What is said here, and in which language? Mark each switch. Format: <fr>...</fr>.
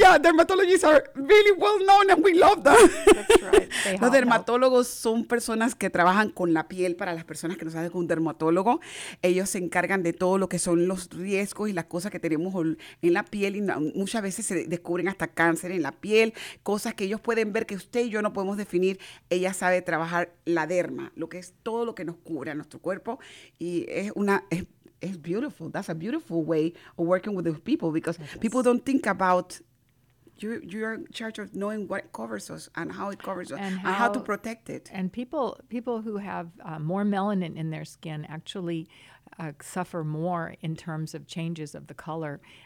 <en>Yeah, dermatologists are really well known and we love them. That's right.</en> <es>Los dermatólogos son personas que trabajan con la piel. Para las personas que no saben, con un dermatólogo, ellos se encargan de todo lo que son los riesgos y las cosas que tenemos en la piel. Y muchas veces se descubren hasta cáncer en la piel, cosas que ellos pueden ver que usted y yo no podemos definir. Ella sabe trabajar la derma, lo que es todo lo que nos cubre a nuestro cuerpo. Y es una... Es,</es> <en>it's beautiful. That's a beautiful way of working with those people, because people don't think about you're in charge of knowing what covers us and how it covers us and how to protect it. And people who have more melanin in their skin actually suffer more in terms of changes of the color.</en>